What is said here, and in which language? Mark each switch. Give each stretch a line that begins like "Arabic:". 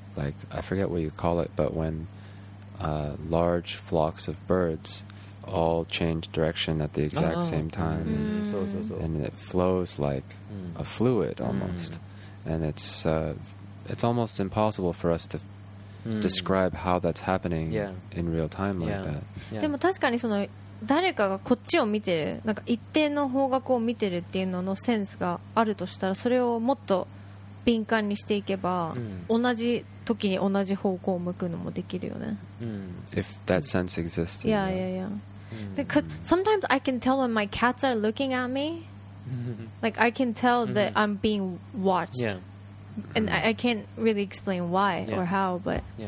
English: Like, I forget what you call it, but when large flocks of birds all change direction at the exact same time, and it flows like a fluid almost, and it's almost impossible for us to describe how that's happening in real time like that.
Japanese: でも確かにその誰かがこっちを見てる、なんか一定の方角を見てるっていうののセンスがあるとしたら、それをもっと敏感にしていけば、同じ時に同じ方向を向くのもできるよね。
English: If that sense exists. Because sometimes I can tell when my cats are looking at me. Like, I can tell that I'm being watched. Yeah. And I can't really explain why or how, but